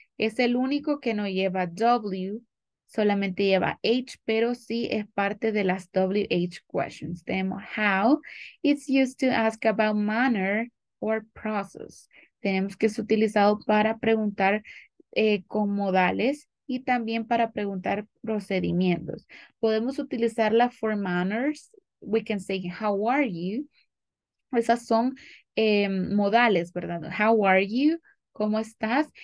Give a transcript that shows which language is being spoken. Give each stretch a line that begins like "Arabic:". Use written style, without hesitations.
Spanish: Es el único que no lleva W, solamente lleva H, pero sí es parte de las WH questions. Tenemos how.
English: It's used to ask about manner or process.
Spanish: Tenemos que es utilizado para preguntar con modales y también para preguntar procedimientos. Podemos utilizarla
English: for manners. We can say, how are you?
Spanish: Esas son modales, ¿verdad?
English: How are you?
Spanish: ¿Cómo estás?